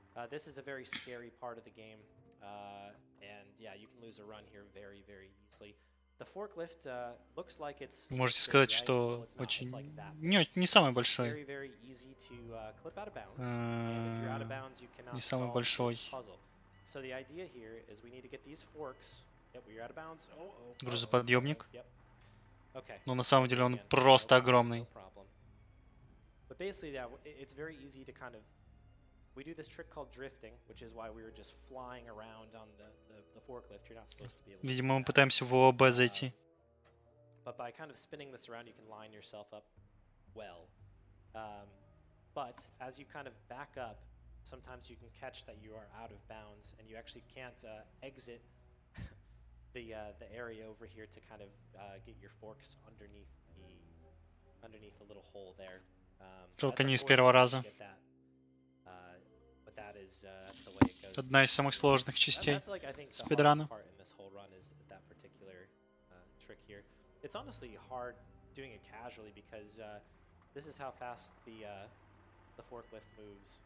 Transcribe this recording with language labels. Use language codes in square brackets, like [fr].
[en] This is a very scary part of the game. And yeah, you can lose a run here very, very easily. The forklift looks like it's [ru] можете сказать, что очень не самый большой. Не самый большой. [en] So the idea here is we need to get these forks. Yep, we're out of bounds. [ru] Грузоподъемник. [en] Yep. Okay. [ru] Но на самом деле он просто огромный. [en] But basically, yeah, it's very easy to kind of we do this trick called drifting, which is why we were just flying around on the forklift. You're not supposed to be able to. [ru] Видимо, мы пытаемся в ООБ зайти. [en] But by kind of spinning this around, you can line yourself up well. But as you kind of back up, sometimes you can catch that you are out of bounds and you actually can't exit the area over here to kind of get your forks underneath the little hole there. [ru] Только не с первого раза. [en] That is that's the way it goes. [ru] Одна из самых сложных частей. [en] That's like I think the hardest part in this whole run is that particular trick here. It's honestly hard doing it casually because this is how fast the forklift moves.